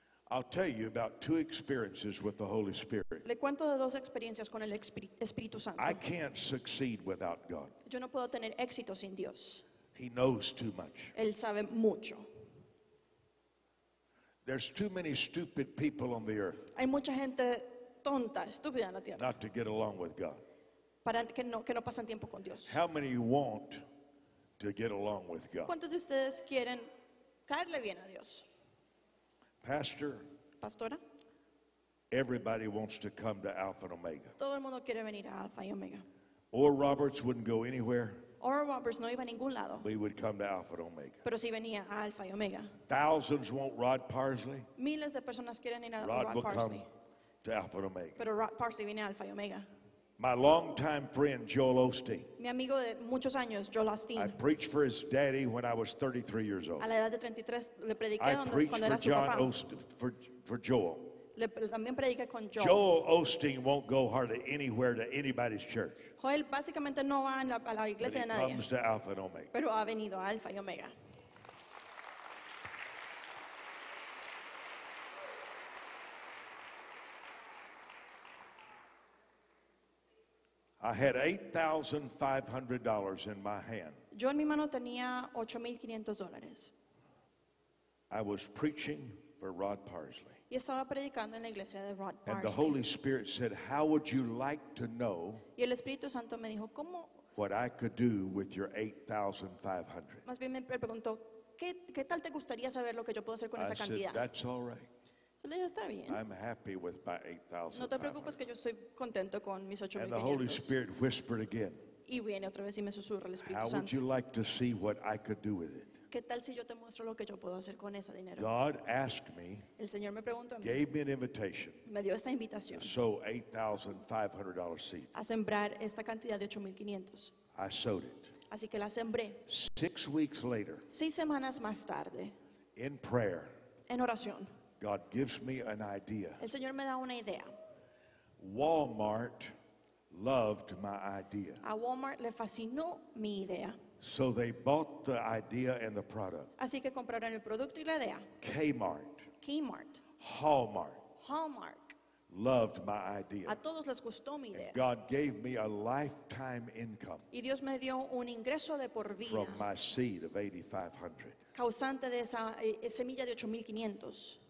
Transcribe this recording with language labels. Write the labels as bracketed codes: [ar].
[en] I'll tell you about two experiences with the Holy Spirit. [es] Le cuento de dos experiencias con el Espíritu Santo. [en] I can't succeed without God. [es] Yo no puedo tener éxito sin Dios. [en] He knows too much. [es] Él sabe mucho. [en] There's too many stupid people on the earth. [es] Hay mucha gente tonta, estúpida en la tierra. [en] Not to get along with God. [es] Para que no pasen tiempo con Dios. [en] How many want to get along with God? [es] ¿Cuántos de ustedes quieren caerle bien a Dios? [en] Pastor. [es] Pastora. [en] Everybody wants to come to Alpha and Omega. [es] Todo el mundo quiere venir a Alpha y Omega. [en] Or Roberts wouldn't go anywhere. [es] Or Roberts no iba a ningún lado. [en] We would come to Alpha and Omega. [es] Pero si venía a Alpha y Omega. [en] Thousands want Rod Parsley. [es] Miles de personas quieren ir a Rod Parsley. [en] Come to Alpha and Omega. [es] Pero Rod Parsley viene a Alpha y Omega. [en] My longtime friend Joel Osteen. [es] Mi amigo de muchos años, Joel Osteen. [en] I preached for his daddy when I was 33 years old. [es] A la edad de 33 le prediqué cuando era su papá. [en] I preached for John Osteen, for Joel. [es] Le también prediqué con Joel. [en] Joel Osteen won't go hardly anywhere to anybody's church. [es] Joel básicamente no va a la iglesia de nadie. [en] But he comes to Alpha and Omega. [es] Pero ha venido a Alpha y Omega. [en] I had $8,500 in my hand. [es] Yo en mi mano tenía $8,500. [en] I was preaching for Rod Parsley. [es] Y estaba predicando en la iglesia de Rod Parsley. [en] And the Holy Spirit said, "How would you like to know?" [es] Y el Espíritu Santo me dijo, ¿cómo? [en] What I could do with your $8,500. [es] Más bien me preguntó, ¿qué tal te gustaría saber lo que yo puedo hacer con esa cantidad? [en] I said, "That's all right." [es] Le dije, está bien. [en] I'm happy with my 8,500. [es] No te preocupes que yo estoy contento con mis 8,500. [en] And the Holy Spirit whispered again. [es] Y viene otra vez y me susurra el Espíritu Santo. [en] How would you like to see what I could do with it? [es] ¿Qué tal si yo te muestro lo que yo puedo hacer con ese dinero? [en] God asked me. [es] El Señor me preguntó a mí. [en] Gave me an invitation. [es] Me dio esta invitación. [en] To sow $8,500 seed. [es] A sembrar esta cantidad de 8,500. [en] I sowed it. [es] Así que la sembré. [en] 6 weeks later. [es] 6 semanas más tarde. [en] In prayer. [es] En oración. [en] God gives me an idea. [es] El Señor me da una idea. [en] Walmart loved my idea. [es] A Walmart le fascinó mi idea. [en] So they bought the idea and the product. [es] Así que compraron el producto y la idea. [en] Kmart. Hallmark. Loved my idea. [es] A todos les gustó mi idea. [en] And God gave me a lifetime income. [es] Y Dios me dio un ingreso de por vida. [en] From my seed of $8,500. [es] Causante de esa semilla de 8,500.